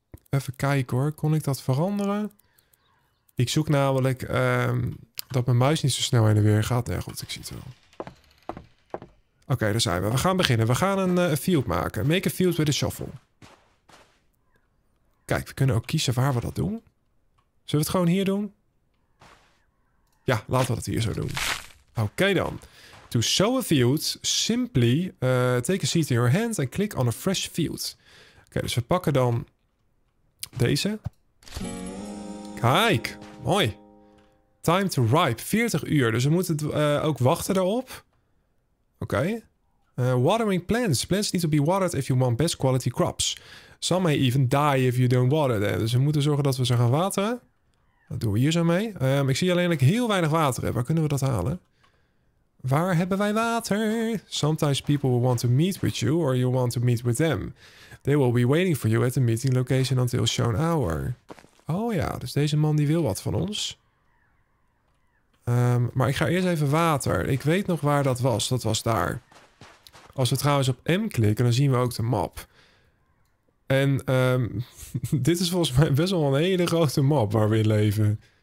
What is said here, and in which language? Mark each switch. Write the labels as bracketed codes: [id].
[nl] Even kijken hoor, kon ik dat veranderen? Ik zoek namelijk dat mijn muis niet zo snel heen en weer gaat. Nee, goed, ik zie het wel. Oké, daar zijn we. We gaan beginnen. We gaan een field maken. [en] Make a field with a shovel. [nl] Kijk, we kunnen ook kiezen waar we dat doen. Zullen we het gewoon hier doen? Ja, laten we dat hier zo doen. Oké, dan. [en] To sow a field, simply take a seed in your hand and click on a fresh field. [nl] Oké, dus we pakken dan deze. Kijk, mooi. [en] Time to ripe, 40 uur. [nl] Dus we moeten ook wachten daarop. [en] Oké. Watering plants. Plants need to be watered if you want best quality crops. Some may even die if you don't water them. [nl] Dus we moeten zorgen dat we ze gaan wateren. Dat doen we hier zo mee. Ik zie alleen dat ik heel weinig water heb. Waar kunnen we dat halen? Waar hebben wij water? [en] Sometimes people will want to meet with you or you want to meet with them. They will be waiting for you at the meeting location until shown hour. [nl] Oh ja, dus deze man die wil wat van ons. Maar ik ga eerst even water. Ik weet nog waar dat was. Dat was daar. Als we trouwens op M klikken, dan zien we ook de map. En dit is volgens mij best wel een hele grote map waar we in leven.